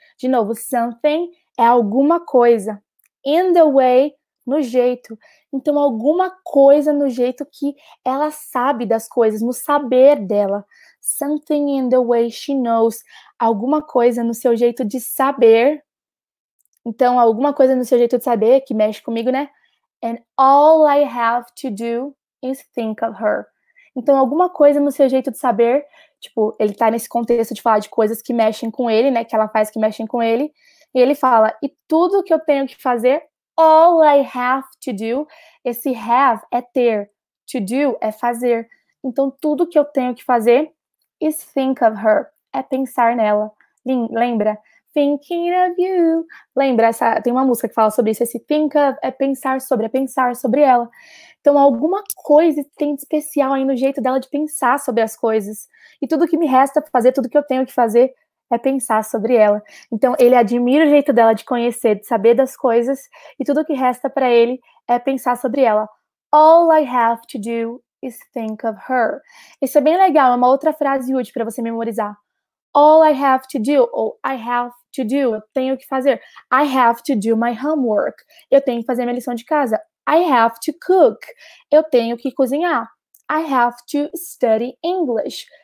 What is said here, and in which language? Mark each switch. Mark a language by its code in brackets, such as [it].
[pt] De novo, something é alguma coisa. [en] In the way, [pt] no jeito. Então, alguma coisa no jeito que ela sabe das coisas, no saber dela. [en] Something in the way she knows. [pt] Alguma coisa no seu jeito de saber. Então, alguma coisa no seu jeito de saber, que mexe comigo, né? [en] And all I have to do is think of her. [pt] Então, alguma coisa no seu jeito de saber. Tipo, ele tá nesse contexto de falar de coisas que mexem com ele, né? Que ela faz que mexem com ele. E ele fala: e tudo que eu tenho que fazer, [en] all I have to do, [pt] esse have é ter, to do é fazer. Então, tudo que eu tenho que fazer [en] is think of her, [pt] é pensar nela. Lembra? [en] Thinking of you. [pt] Lembra? Essa, tem uma música que fala sobre isso. Esse think of é pensar sobre ela. Então, alguma coisa tem de especial aí no jeito dela de pensar sobre as coisas. E tudo que me resta fazer, tudo que eu tenho que fazer é pensar sobre ela. Então, ele admira o jeito dela de conhecer, de saber das coisas. E tudo que resta para ele é pensar sobre ela. [en] All I have to do is think of her. [pt] Isso é bem legal. É uma outra frase útil para você memorizar. [en] All I have to do, [pt] ou [en] I have to do, [pt] eu tenho que fazer. [en] I have to do my homework. [pt] Eu tenho que fazer minha lição de casa. [en] I have to cook. [pt] Eu tenho que cozinhar. [en] I have to study English.